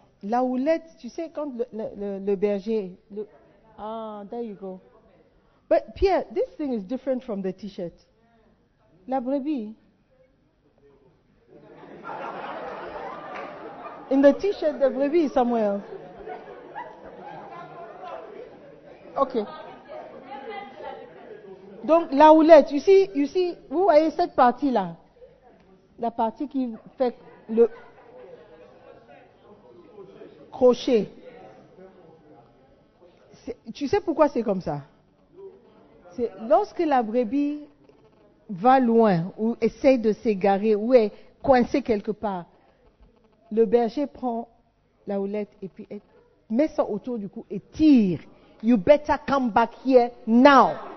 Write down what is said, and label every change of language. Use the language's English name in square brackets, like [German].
[French] La houlette, tu sais, quand le berger. [English] There you go. But Pierre, this thing is different from the t-shirt. La brebis. In the t-shirt, the brebis is somewhere else. Okay. [French] Donc, la houlette, you see, vous voyez cette partie-là. La partie qui fait le crochet. Tu sais pourquoi c'est comme ça? C'est lorsque la brebis va loin ou essaye de s'égarer ou est coincée quelque part, le berger prend la houlette et puis met ça autour du cou et tire. [English] You better come back here now.